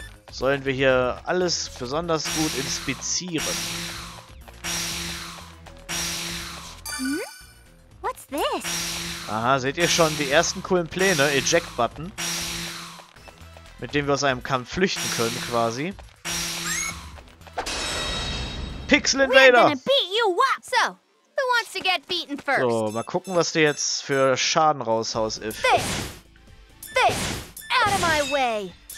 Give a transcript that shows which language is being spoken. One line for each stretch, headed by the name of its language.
German: Sollen wir hier alles besonders gut inspizieren?
English: What's this?
German: Aha, seht ihr schon die ersten coolen Pläne? Eject-Button. Mit dem wir aus einem Kampf flüchten können, quasi.
English: Pixel Invader! So, who wants to get beaten first?
German: So, mal gucken, was du jetzt für Schaden raushaust, If.
English: This! This! Out of my way!